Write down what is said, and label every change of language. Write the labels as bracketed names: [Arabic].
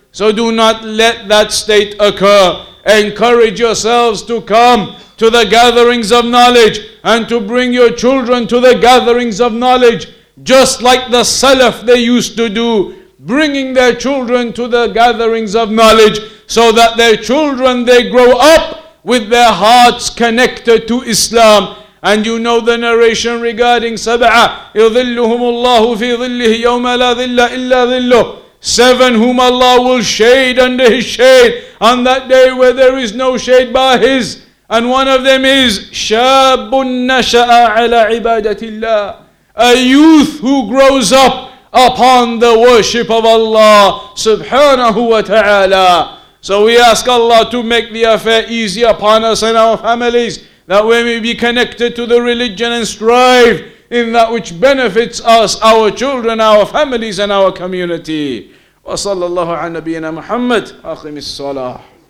[English] So do not let that state occur. Encourage yourselves to come to the gatherings of knowledge and to bring your children to the gatherings of knowledge, just like the Salaf they used to do, bringing their children to the gatherings of knowledge so that their children, they grow up with their hearts connected to Islam. And you know the narration regarding Sab'a, [Arabic] يُظِلُّهُمُ اللَّهُ فِي ظِلِّهِ يَوْمَ لَا ظِلَّ إِلَّا ظِلُّهُ. [English] Seven whom Allah will shade under His shade on that day where there is no shade by His. And one of them is [Arabic] شَابٌ نَشَأَ عَلَى عِبَادَةِ اللَّهِ. [English] A youth who grows up upon the worship of Allah subhanahu wa ta'ala. So we ask Allah to make the affair easy upon us and our families, that we may be connected to the religion and strive in that which benefits us, our children, our families, and our community. [Arabic] وَصَلَّى اللَّهُ عَلَى نَبِيِّنَا مُحَمَّدٍ أَقِمِ الصَّلَاةَ